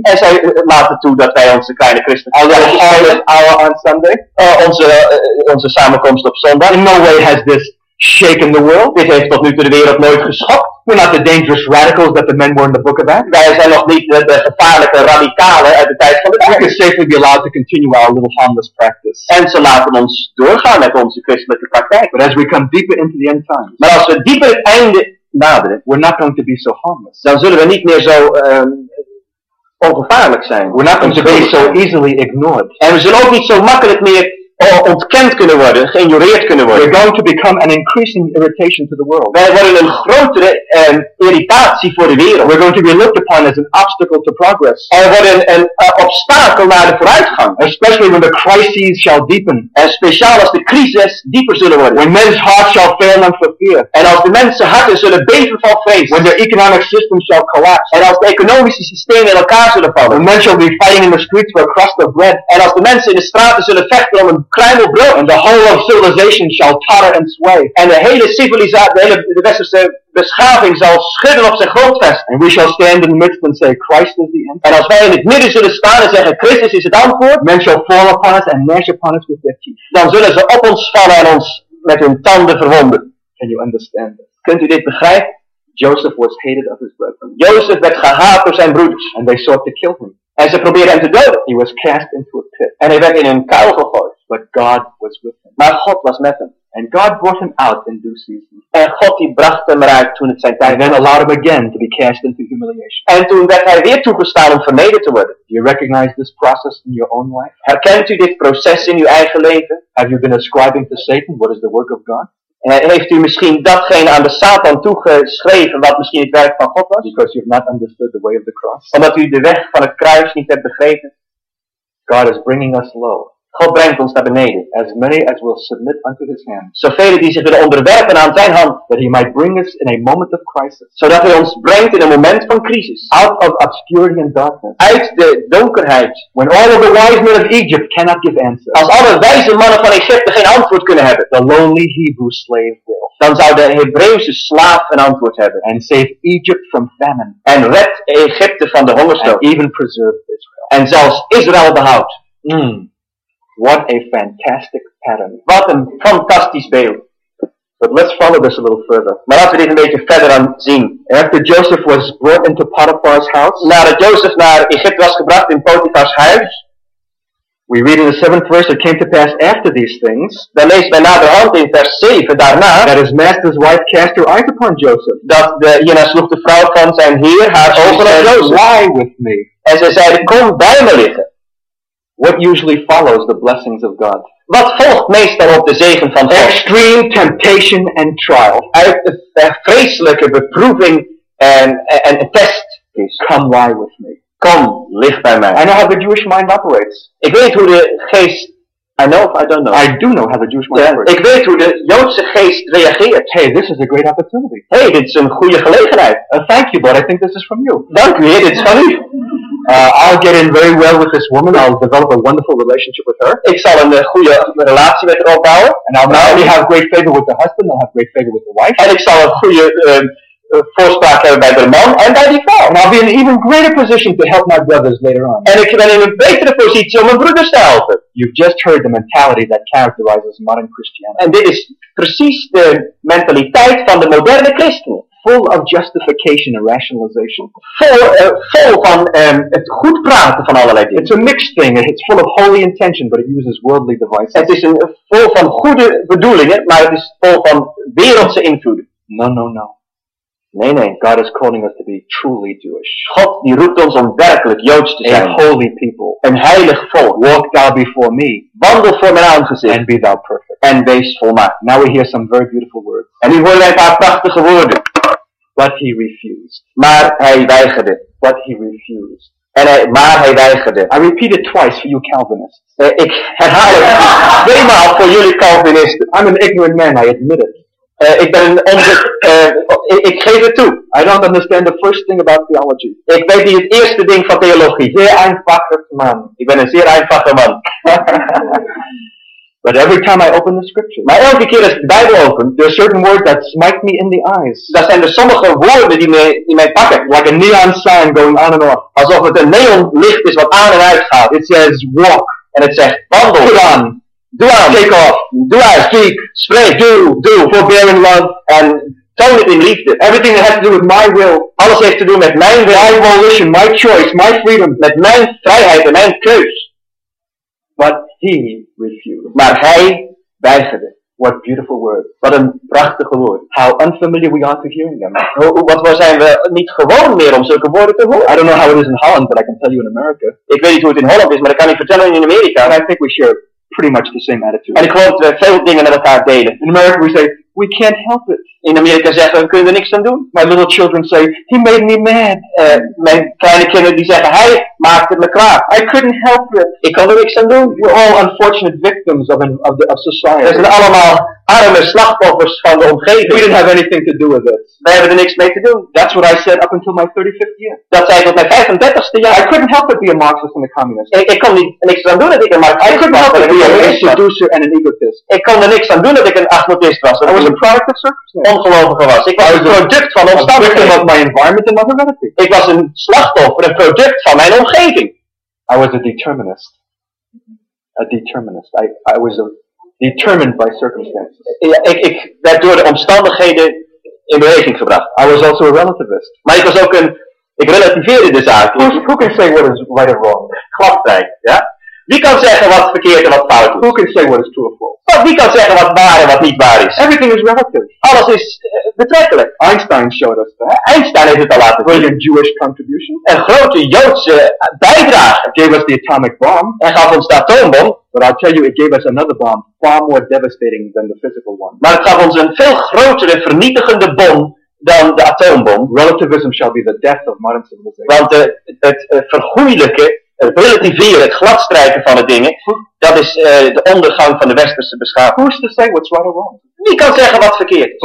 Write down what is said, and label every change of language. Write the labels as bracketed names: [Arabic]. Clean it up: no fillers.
[Dutch] En zij laten toe dat wij onze kleine christen. [English] Our little harmless hour on Sunday. [Dutch] Onze samenkomst op zondag. [English] In no way has this shaken the world. [Dutch] Dit heeft tot nu toe de wereld nooit geschokt. [English] We're not the dangerous radicals that the men were in the book of Acts. [Dutch] Wij zijn nog niet de gevaarlijke radicalen uit de tijd van de Bijbel. [English] We can safely be allowed to continue our little harmless practice. [Dutch] En ze laten ons doorgaan met onze christelijke praktijk. [English] But as we come deeper into the end times. [Dutch] Maar als we dieper het einde naderen. [English] We're not going to be so harmless. [Dutch] Dan zullen we niet meer zo ongevaarlijk zijn. [English] We're not going to be so easily ignored. [Dutch] En we zullen ook niet zo makkelijk meer ontkend kunnen worden, geïgnoreerd kunnen worden. [English] We're going to become an increasing irritation to the world. [Dutch] Wij worden een grotere irritatie voor de wereld. [English] We're going to be looked upon as an obstacle to progress. [Dutch] En we worden een obstakel naar de vooruitgang. [English] Especially when the crises shall deepen. [Dutch] En speciaal als de crises dieper zullen worden. [English] When men's hearts shall fail them for fear. [Dutch] En als de mensen harten zullen beven van vrees. [English] When their economic system shall collapse. [Dutch] En als de economische systemen in elkaar zullen vallen. [English] When men shall be fighting in the streets for a crust of bread. [Dutch] En als de mensen in de straten zullen vechten om een kleine brood. [English] And the whole of civilization shall totter and sway. [Dutch] En de hele civilisatie, de westerse beschaving zal schudden op zijn grondvest. [English] And we shall stand in the midst and say, Christ is the answer. [Dutch] En als wij in het midden zullen staan en zeggen, Christus is het antwoord. [English] Men shall fall upon us and gnash upon us with their teeth. [Dutch] Dan zullen ze op ons vallen en ons met hun tanden verwonden. [English] Can you understand this? [Dutch] Kunt u dit begrijpen? [English] Joseph was hated of his brethren. [Dutch] Joseph werd gehaat door zijn broeders. [English] And they sought to kill him. [Dutch] En ze probeerden hem te doden. [English] He was cast into a pit. [Dutch] En hij werd in een kuil gegooid. [English] But God was with him. [Dutch] Maar God was met hem. [English] And God brought him out in due season. [Dutch] En God die bracht hem eruit toen het zijn tijd was. [English] And then allowed him again to be cast into humiliation. [Dutch] En toen werd hij weer toegestaan om vernederd te worden. [English] Do you recognize this process in your own life? [Dutch] Herkent u dit proces in uw eigen leven? [English] Have you been ascribing to Satan what is the work of God? [Dutch] En heeft u misschien datgene aan de Satan toegeschreven wat misschien het werk van God was? [English] Because you have not understood the way of the cross. [Dutch] Omdat u de weg van het kruis niet hebt begrepen. [English] God is bringing us low. [Dutch] God brengt ons naar beneden. [English] As many as will submit unto his hand. [Dutch] Zoveel die zich willen onderwerpen aan zijn hand. [English] That he might bring us in a moment of crisis. [Dutch] Zodat hij ons brengt in een moment van crisis. [English] Out of obscurity and darkness. [Dutch] Uit de donkerheid. [English] When all of the wise men of Egypt cannot give answer. [Dutch] Als alle wijze mannen van Egypte geen antwoord kunnen hebben. [English] The lonely Hebrew slave will. [Dutch] Dan zou de Hebreeuwse slaaf een antwoord hebben. [English] And save Egypt from famine. [Dutch] En red Egypte van de hongersnood. [English] And even preserve Israel. [Dutch] En zelfs Israël behoud. [English] What a fantastic pattern. [Dutch] Wat een fantastisch beeld. [English] But let's follow this a little further. [Dutch] Maar laten we dit een beetje verder aan zien. [English] After Joseph was brought into Potiphar's house. [Dutch] Nadat Joseph naar Egypte was gebracht in Potiphar's huis. [English] We read in the 7th verse, it came to pass after these things. [Dutch] Dan leest men naderhand in vers 7 daarna. [English] That his master's wife cast her eyes upon Joseph. [Dutch] Dat de hierna sloeg de vrouw van zijn heer haar ogen op Joseph. [English] Lie with me. [Dutch] En ze zei, kom bij me liggen. [English] What usually follows the blessings of God? [Dutch] Wat volgt meestal op de zegen van God? [English] Extreme temptation and trial. [Dutch] Uit de vreselijke beproeving en test. [English] Please, come lie with me. [Dutch] Kom, lig bij mij. [English] I know how the Jewish mind operates. [Dutch] Ik weet hoe de geest... [English] I know if I don't know. I do know how the Jewish mind operates. [Dutch] Ik weet hoe de Joodse geest reageert. [English] Hey, this is a great opportunity. [Dutch] Hey, dit is een goede gelegenheid. [English] Thank you, but I think this is from you. [Dutch] Dank u, dit is van u. [English] I'll get in very well with this woman. I'll develop a wonderful relationship with her. [Dutch] Ik zal een goede relatie met haar opbouwen. [English] And I'll not only have great favor with the husband, I'll have great favor with the wife. [Dutch] En ik zal een goede voorspraak hebben bij de man en bij die vrouw. [English] And I'll be in an even greater position to help my brothers later on. [Dutch] En ik ben in een betere positie om mijn broeders te helpen. [English] You've just heard the mentality that characterizes modern Christianity. [Dutch] En dit is precies de mentaliteit van de moderne christen. [English] Full of justification and rationalization. [Dutch] Full van het goed praten van allerlei dingen. [English] It's a mixed thing. It's full of holy intention, but it uses worldly devices. [Dutch] Het is full van goede bedoelingen, maar het is full van wereldse invloeden. [English] No, no, no. [Dutch] Nee, nee. [English] God is calling us to be truly Jewish. [Dutch] God die roept ons om werkelijk Joods te zijn. [English] A holy people. [Dutch] Een heilig volk. [English] Walk thou before me. [Dutch] Wandel voor mijn aangezicht. [English] And be thou perfect. [Dutch] En wees volmaakt. [English] Now we hear some very beautiful words. [Dutch] En nu horen wij een paar prachtige woorden. [English] But he refused. [Dutch] Maar hij weigerde. [English] But he refused. [Dutch] En hij, maar hij weigerde. [English] I repeat it twice for you Calvinists. [Dutch] Ik herhaal het twee maal voor jullie Calvinisten. [English] I'm an ignorant man, I admit it. [Dutch] Ik ben ik geef het toe. [English] I don't understand the first thing about theology. [Dutch] Ik weet niet het eerste ding van theologie. Zeer eenvoudige man. Ik ben een zeer eenvoudige man. [English] But every time I open the scripture, [Dutch] maar elke keer als ik de Bijbel open, [English] there are certain words that smite me in the eyes. [Dutch] Dat zijn er sommige woorden die mij pakken. [English] Like a neon sign going on and off. [Dutch] Alsof het een neonlicht is wat aan en uit gaat. [English] It says walk. [Dutch] En het zegt wandel. [English] Put on. Do on. Take off. Do I speak. Spray. Do. Forbear in love. And tone it [Dutch] in liefde. [English] Everything that has to do with my will. [Dutch] Alles heeft te doen met mijn wil. [English] My volition, my choice, my freedom. [Dutch] Met mijn vrijheid en mijn keus. [English] But he refused. [Dutch] Maar hij weigerde. [English] What beautiful words. [Dutch] Wat een prachtige woord. [English] How unfamiliar we are to hearing them. [Dutch] Wat zijn we niet gewoon meer om zulke woorden te horen? [English] I don't know how it is in Holland, but I can tell you in America. [Dutch] Ik weet niet hoe het in Holland is, maar dat kan ik vertellen in Amerika. [English] And I think we share pretty much the same attitude. [Dutch] En ik geloof dat we veel dingen met elkaar delen. [English] In America we say, we can't help it. [Dutch] In Amerika zeggen we kunnen er niks aan doen. [English] My little children say, he made me mad. [Dutch] Mijn kleine kinderen die zeggen, hij maakte me kwaad. [English] I couldn't help it. [Dutch] Ik kon er niks aan doen. [English] We're all unfortunate victims of society. [Dutch] We zijn allemaal arme slachtoffers van de omgeving. [English] We didn't have anything to do with it. [Dutch] Wij hebben er niks mee te doen. [English] That's what I said up until my 35th year. [Dutch] Dat zei ik op mijn 35ste jaar. [English] I couldn't help it be a Marxist and a communist. [Dutch] Ik kon er niks aan doen dat ik een Marxist was. [English] I couldn't help it be a seducer and an egotist. [Dutch] Ik kon er niks aan doen dat ik een agnotist was. [English] I was a product of circumstance. [Dutch] Was. Ik was een product van omstandigheden. [English] Of my environment and my humanity. [Dutch] Ik was een slachtoffer, een product van mijn omgeving. [English] I was a determinist. A determinist. I was a determined by circumstances. [Dutch] Ja, ik werd door de omstandigheden in beweging gebracht. [English] I was also a relativist. [Dutch] Maar ik was ook een. Ik relativeerde de zaak. [English] Who can say what is right or wrong? [Dutch] Klapvrij, ja? Wie kan zeggen wat verkeerd en wat fout is? [English] Who can say what is true or false? [Dutch] Maar wie kan zeggen wat waar en wat niet waar is? [English] Everything is relative. [Dutch] Alles is betrekkelijk. [English] Einstein showed us that. [Dutch] Einstein heeft het al laten zien. [English] Brilliant Jewish contribution. [Dutch] Een grote Joodse bijdrage. [English] Gave us the atomic bomb. [Dutch] En gaf ons de atoombom. [English] But I'll tell you, it gave us another bomb, far more devastating than the physical one. [Dutch] Maar het gaf ons een veel grotere, vernietigende bom dan de atoombom. [English] Relativism shall be the death of modern civilization. [Dutch] Want het vergoeilijke. Het relativeren, het gladstrijken van de dingen, dat is de ondergang van de westerse beschaving. [English] Who's to say what's right or wrong? [Dutch] Wie kan zeggen wat verkeerd?